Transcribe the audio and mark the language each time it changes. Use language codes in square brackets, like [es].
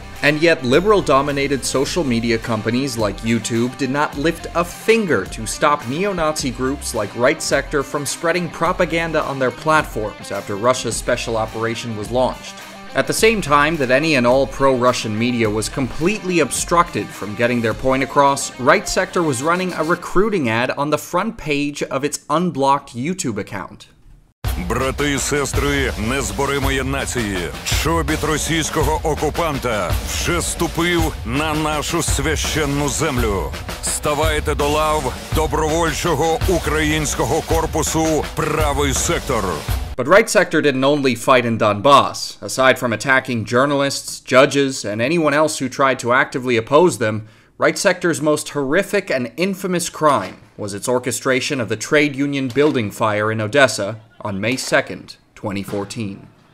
[en] And yet, liberal-dominated social media companies like YouTube did not lift a finger to stop neo-Nazi groups like Right Sector from spreading propaganda on their platforms after Russia's special operation was launched. At the same time that any and all pro-Russian media was completely obstructed from getting their point across, Right Sector was running a recruiting ad on the front page of its unblocked YouTube account. [uk] Брати і сестри незборимої нації, чобіт російського окупанта вже ступив на нашу священну землю. Ставайте до лав добровольчого українського корпусу «Правий сектор». [en] But Right Sector didn't only fight in Donbass. Aside from attacking journalists, judges, and anyone else who tried to actively oppose them, Right Sector's most horrific and infamous crime was its orchestration of the trade union building fire in Odessa on May 2nd, 2014.